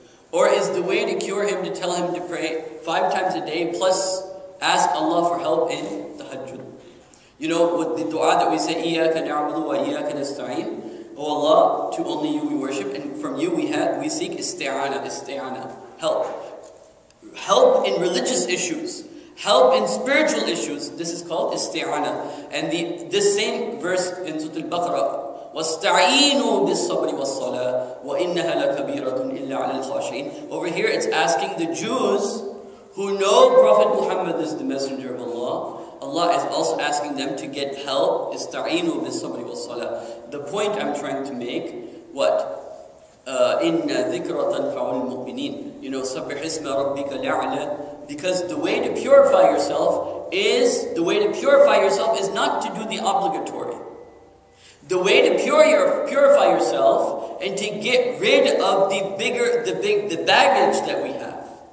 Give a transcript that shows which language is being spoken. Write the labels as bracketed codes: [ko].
[en] Or is the way to cure him to tell him to pray 5 times a day plus ask Allah for help in tahajjud? You know, with the dua that we say, [ar] إِيَّاكَ نَعْبُدُ وَإِيَّاكَ نَسْتَعِينُ. [en] O Allah, to only you we worship, and from you we seek isti'ana, help. Help in religious issues, help in spiritual issues. This is called isti'ana. And this same verse in Surah Al-Baqarah, [ar] وَاسْتَعِينُوا بِالصَّبْرِ وَالصَّلَاةِ وَإِنَّهَا لَكَبِيرَةٌ إِلَّا عَلَى الْخَاشِينَ. [en] Over here it's asking the Jews who know Prophet Muhammad is the Messenger of Allah, Allah is also asking them to get help. [ar] اِسْتَعِينُوا بِالصَّبْرِ وَالصَّلَاةِ. [en] The point I'm trying to make, what? [ar] إِنَّ ذِكْرَ تَنْفَعُ الْمُؤْمِنِينَ. [en] You know, [ar] سَبِّحِ اسْمَ رَبِّكَ الْأَعْلَى. [en] Because the way to purify yourself is, the way to purify yourself is not to do the obligatory. The way to purify yourself and to get rid of the baggage that we have.